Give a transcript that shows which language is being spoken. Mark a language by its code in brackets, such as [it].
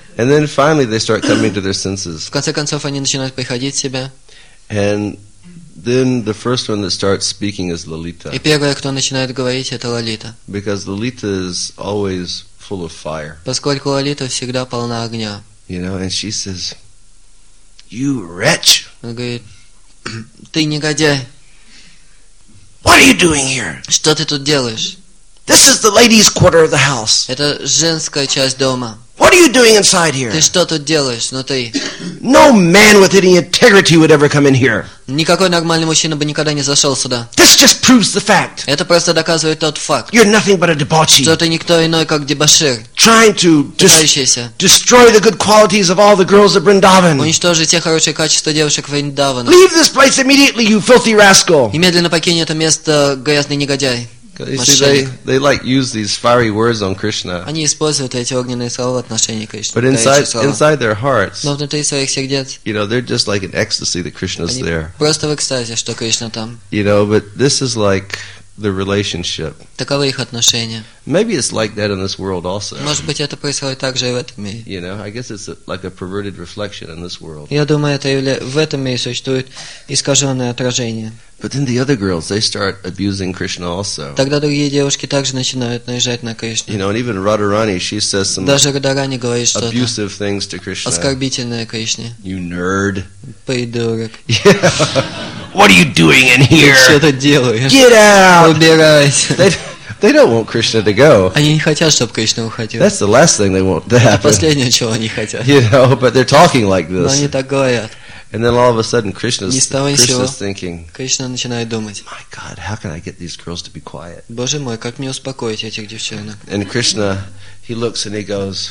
[en] And then finally they start coming to their senses. [ru] В конце концов они начинают приходить в себя. [en] And then the first one that starts speaking is Lalita. [ru] И первая, кто начинает говорить, это Лалита. [en] Because Lalita is always full of fire. [ru] Поскольку Лалита всегда полна огня. [en] You know, and she says, "You wretch!" [ru] Она говорит, ты негодяй. [en] What are you doing here? [ru] Что ты тут делаешь? [en] This is the ladies' quarter of the house. [ru] Это женская часть дома. [en] What are you doing inside here? [ru] Ты что тут делаешь, внутри? [en] No man with any integrity would ever come in here. [ru] Никакой нормальный мужчина бы никогда не зашел сюда. [en] This just proves the fact. [ru] Это просто доказывает тот факт. [en] You're nothing but a debauchee. [ru] Что ты никто иной, как дебошир. [en] Trying to destroy the good qualities of all the girls of Vrindavan. [ru] Уничтожить те хорошие качества девушек Вриндавана. [en] Leave this place immediately, you filthy rascal. [ru] Немедленно покинь это место, грязный негодяй. [en] See, they like use these fiery words on Krishna. [ru] Они используют эти огненные слова в отношении Кришны. [en] But inside their hearts, [ru] но внутри своих сердец, [en] you know, they're just like in ecstasy that Krishna's there. [ru] Просто в экстазе, что Кришна там. [en] You know, but this is like the relationship. [ru] Таковы их отношения. [en] Maybe it's like that in this world also. [ru] Может быть, это происходит также и в этом мире. [en] You know, I guess it's like a perverted reflection in this world. [ru] Я думаю, это в этом мире существует искаженное отражение. [en] But then the other girls, they start abusing Krishna also. [ru] Тогда другие девушки также начинают наезжать на Кришну. [en] You know, and even Radharani, she says some [ru] даже Радхарани говорит что-то [en] abusive things to Krishna. [ru] Оскорбительное Кришне. [en] You nerd. [ru] Придурок. [en] What are you doing in here? [ru] Ты что-то делаешь? [en] Get out! [ru] Убирайся! [en] They don't want Krishna to go. [ru] Они не хотят, чтобы Кришна уходил. [en] That's the last thing they want to happen. [ru] Это последнее, чего они хотят. [en] You know, but they're talking like this. [ru] Но они так говорят. [en] And then all of a sudden, Krishna's thinking. [ru] Кришна начинает думать. [en] My God, how can I get these girls to be quiet? [ru] Боже мой, как мне успокоить этих девчонок? [en] And Krishna, he looks and he goes.